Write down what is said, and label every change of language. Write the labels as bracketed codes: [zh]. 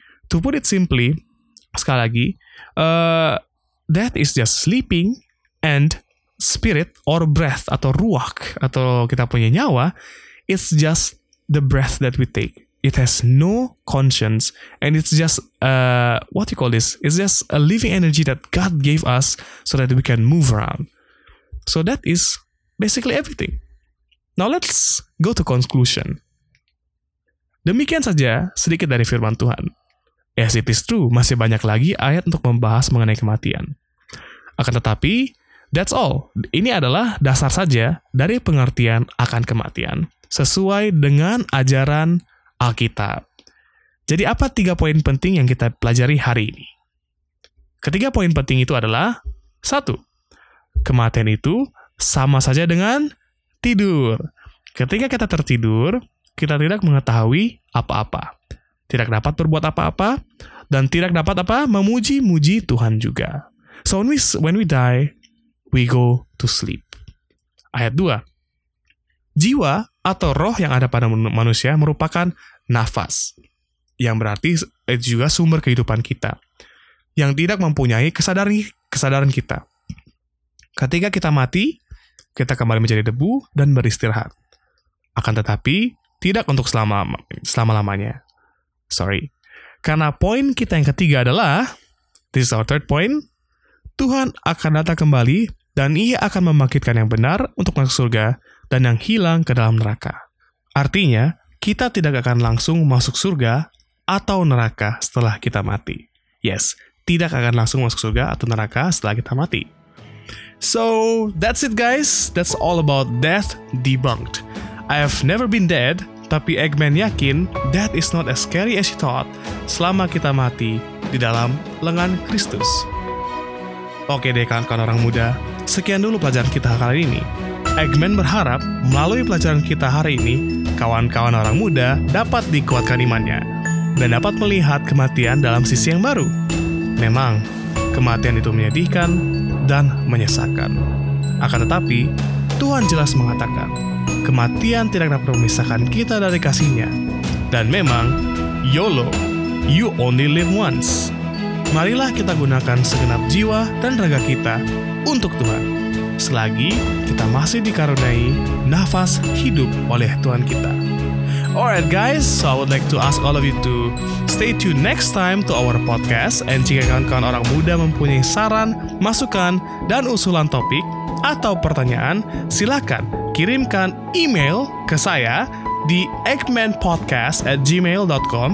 [en] To put it simply, [id] sekali lagi, [en] death is just sleeping and spirit or breath [id] atau ruach atau kita punya nyawa, [en] it's just the breath that we take. It has no conscience and it's just what you call this? It's just a living energy that God gave us so that we can move around. So that is basically everything. Now let's go to conclusion. [id] Demikian saja sedikit dari firman Tuhan. [en] Yes, it is true, [id] masih banyak lagi ayat untuk membahas mengenai kematian. Akan tetapi, [en] that's all. [id] Ini adalah dasar saja dari pengertian akan kematian sesuai dengan ajaran Alkitab. Jadi apa 3 poin penting yang kita pelajari hari ini? Ketiga poin penting itu adalah 1. Kematian itu sama saja dengan tidur. Ketika kita tertidur, kita tidak mengetahui apa-apa. Tidak dapat berbuat apa-apa, dan tidak dapat apa? Memuji-muji Tuhan juga. [en] So when we die, we go to sleep. [id] Ayat 2. Jiwa atau roh yang ada pada manusia merupakan nafas, yang berarti juga sumber kehidupan kita, yang tidak mempunyai kesadaran kita. Ketika kita mati, kita kembali menjadi debu dan beristirahat. Akan tetapi, tidak untuk selama-lamanya. [en] Sorry. [id] Karena poin kita yang ketiga adalah, [en] this is our third point, [id] Tuhan akan datang kembali dan ia akan membangkitkan yang benar untuk masuk surga dan yang hilang ke dalam neraka. Artinya, kita tidak akan langsung masuk surga atau neraka setelah kita mati. Yes, tidak akan langsung masuk surga atau neraka setelah kita mati. [en] So, that's it guys. That's all about death debunked. I have never been dead, [id] tapi Eggman yakin [en] death is not as scary as you thought [id] selama kita mati di dalam lengan Kristus. Oke deh kawan-kawan orang muda, sekian dulu pelajaran kita kali ini. Eggman berharap melalui pelajaran kita hari ini, kawan-kawan orang muda dapat dikuatkan imannya dan dapat melihat kematian dalam sisi yang baru. Memang, kematian itu menyedihkan dan menyesakkan. Akan tetapi, Tuhan jelas mengatakan, kematian tidak dapat memisahkan kita dari kasih-Nya. Dan memang, [en] YOLO, you only live once. [id] Marilah kita gunakan segenap jiwa dan raga kita untuk Tuhan, selagi kita masih dikaruniai nafas hidup oleh Tuhan kita. [en] Alright guys, so I would like to ask all of you to stay tuned next time to our podcast. [id] And jika kawan-kawan orang muda mempunyai saran, masukan, dan usulan topik atau pertanyaan, silakan kirimkan email ke saya di eggmanpodcast@gmail.com.